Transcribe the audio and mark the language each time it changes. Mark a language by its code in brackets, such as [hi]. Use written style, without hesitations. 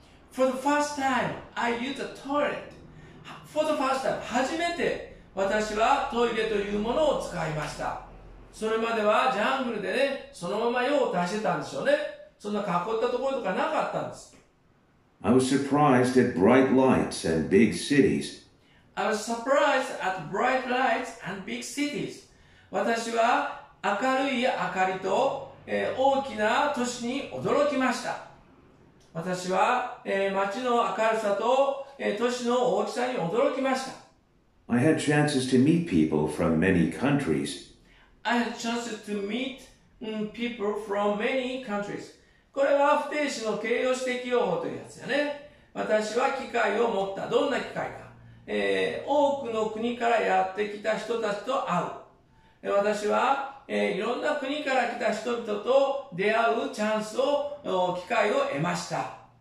[en] For the first time, I used a toilet. For the first time, [ja] 初めて私はトイレというものを使いました。それまではジャングルでね、そのまま用を出してたんでしょうね。そんな囲ったところとかなかったんです。 [en] I was surprised at bright lights and big cities. I was surprised at bright lights and big cities. [ja] 私は明るい明かりと、大きな都市に驚きました。私は、街の明るさと、都市の大きさに驚きました。 [en] I had chances to meet people from many countries. I had chances to meet people from many countries. [ja] これは不定詞の形容詞的用法というやつだね。私は機会を持った。どんな機会か。多くの国からやってきた人たちと会う。私は、いろんな国から来た人々と出会うチャンスを、機会を得ました。